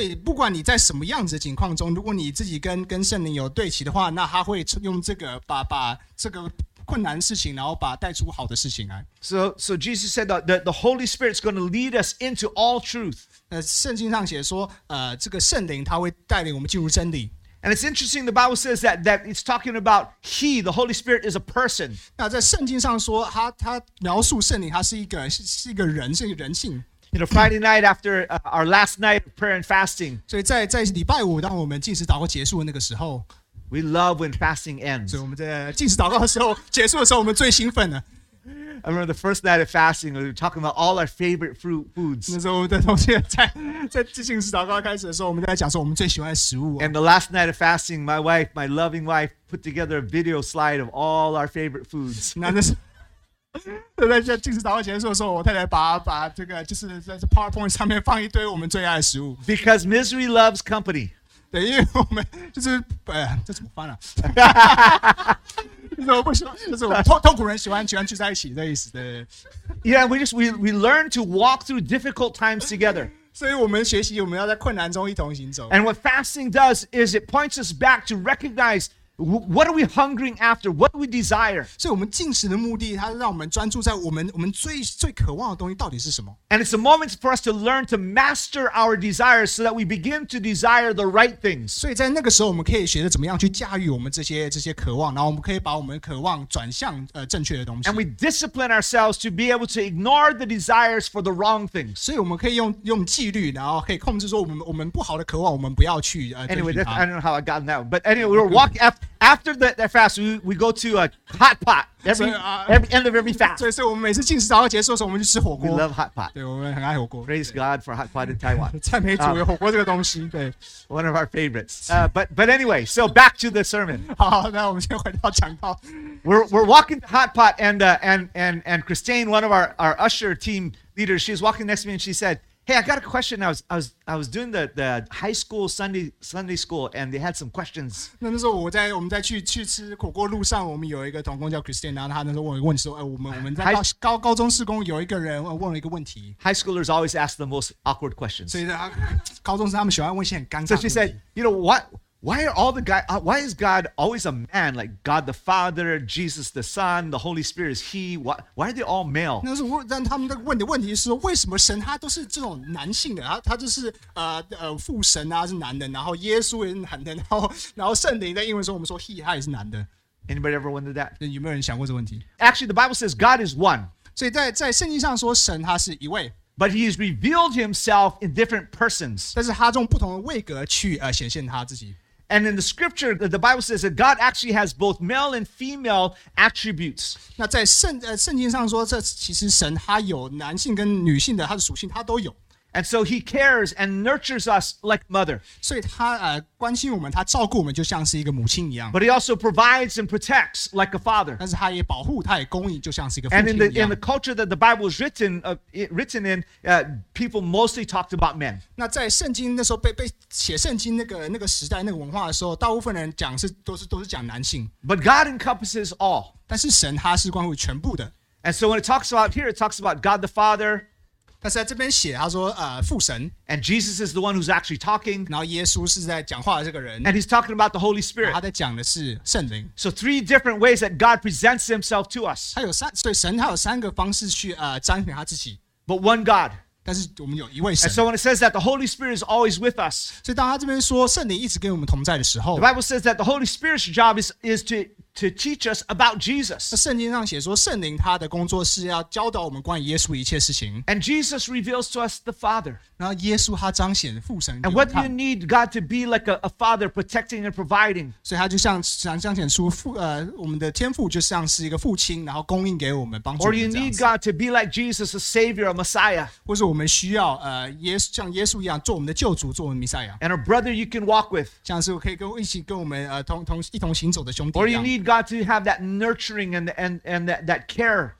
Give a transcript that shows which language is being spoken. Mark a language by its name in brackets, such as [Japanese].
[Chinese] 所以不管你在什么样子的情况中，如果你自己跟圣灵有对齐的话，那他会用这个把这个困难事情，然后把带出好的事情来。 [English] So Jesus said that the Holy Spirit is going to lead us into all truth. [Chinese] 圣经上写说，这个圣灵他会带领我们进入真理。 [English] And it's interesting, the Bible says that it's talking about He, the Holy Spirit, is a person. [Chinese] 那在圣经上说，他描述圣灵，他是一个人，是一个人性。 [English] You know, Friday night after our last night of prayer and fasting. [Chinese] 所以在礼拜五，当我们禁食祷告结束的那个时候 [English] ，We love when fasting ends. [Chinese] 所以我们在禁食祷告的时候结束的时候，我们最兴奋的。 [English] I remember the first night of fasting, we were talking about all our favorite fruit foods. [Chinese] 那时候我们的同学在进行祷告开始的时候，我们在讲说我们最喜欢的食物。 [English] And the last night of fasting, my wife, my loving wife, put together a video slide of all our favorite foods. [Chinese] 那在进行祷告结束的时候，我太太把这个就是在 PowerPoint 上面放一堆我们最爱的食物。 [English] Because misery loves company. [Chinese] 对，因为我们就是这怎么翻了？ [English] Yeah, we learn to walk through difficult times together. [Chinese] 所以我们学习，我们要在困难中一同行走。 [English] And what fasting does is it points us back to recognize What are we hungering after? What do we desire? [Chinese] 所以我们进食的目的，它让我们专注在我们最渴望的东西到底是什么。 [English] And it's a moment for us to learn to master our desires so that we begin to desire the right things. [Chinese] 所以在那个时候，我们可以学着怎么样去驾驭我们这些渴望，然后我们可以把我们渴望转向正确的东西。 [English] And we discipline ourselves to be able to ignore the desires for the wrong things. [Chinese] 所以我们可以用纪律，然后可以控制说我们不好的渴望，我们不要去 [English] Anyway, I don't know how I got that, but anyway, we're walking after. After the fast, we go to a hot pot every end of every fast. [Chinese] 所以我们每次进食祷告结束的时候，我们就吃火锅。 [English] We love hot pot. [Chinese] 对，我们很爱火锅。 [English] Praise God for hot pot in Taiwan. [Chinese] 赞美主，有火锅这个东西。对 [English] ，one of our favorites. But anyway, so back to the sermon. [Chinese] 好，那我们先回到讲道。 [English] We're walking to hot pot, and Christine, one of our usher team leaders, she's walking next to me, and she said. Hey, I got a question. I was doing the high school Sunday school, and they had some questions. [Chinese] 那时候我们在去吃火锅路上，我们有一个同工叫 Christine， 然后他那时候问说，我们在高中事工有一个人问了一个问题。 [English] High schoolers always ask the most awkward questions. [Chinese] 所以高中生他们喜欢问一些很尴尬的问题。 [English] So she said, you know what? Why are all the guys, why is God always a man? Like God the Father, Jesus the Son, the Holy Spirit is He. Why are they all male? [Chinese] 那是我让他们问的问题是说，为什么神他都是这种男性的？他就是父神啊，是男的，然后耶稣也是男的，然后圣灵在英文说我们说 He， 他也是男的。 [English] Anybody ever wondered that? [Chinese] 有没有人想过这问题 [English] ？Actually, the Bible says God is one. [Chinese] 所以在圣经上说神他是一位。 [English] But he has revealed himself in different persons. [Chinese] 但是他用不同的位格去显现他自己。 [English] And in the scripture, the Bible says that God actually has both male and female attributes. [Chinese] 那在圣经上说，这其实神他有男性跟女性的，他的属性他都有。 [English] And so he cares and nurtures us like mother. [Chinese] 所以他关心我们，他照顾我们，就像是一个母亲一样。 [English] But he also provides and protects like a father. [Chinese] 但是他也保护，他也供应，就像是一个父亲一样。 [English] And in the culture that the Bible is written in, people mostly talked about men. [Chinese] 那在圣经那时候被写圣经那个时代那个文化的时候，大部分人讲是都是讲男性。 [English] But God encompasses all. [Chinese] 但是神他是关乎全部的。 [English] And so when it talks about here, it talks about God the Father. [Chinese] 但是在这边写，他说，父神。 [English] And Jesus is the one who's actually talking. [Chinese] 然后耶稣是在讲话的这个人。 [English] And he's talking about the Holy Spirit. [Chinese] 他在讲的是圣灵。 [English] So three different ways that God presents himself to us. [Chinese] 他有三，所以神他有三个方式去彰显他自己。 [English] But one God. [Chinese] 但是我们有一位神。 [English] And so when it says that the Holy Spirit is always with us. [Chinese] 所以当他这边说圣灵一直跟我们同在的时候 [English] ，The Bible says that the Holy Spirit's job is to teach us about Jesus. [Chinese] 圣经上写说圣灵他的工作是要教导我们关于耶稣一切事情。 [English] And Jesus reveals to us the Father. [Chinese] 然后耶稣他彰显父神。 [English] And what do you need God to be like a father protecting and providing? [Chinese] 所以他就想彰显出我们的天父就像是一个父亲然后供应给我们帮助我们。 [English] Or you need God to be like Jesus, a savior, a messiah. [Chinese] 或是我们需要像耶稣一样做我们的救主做我们的弥赛亚。 [English] And a brother you can walk with. [Chinese] 像是可以跟一起跟我们一同行走的兄弟。 [English] Or you needGod to have that nurturing and that care.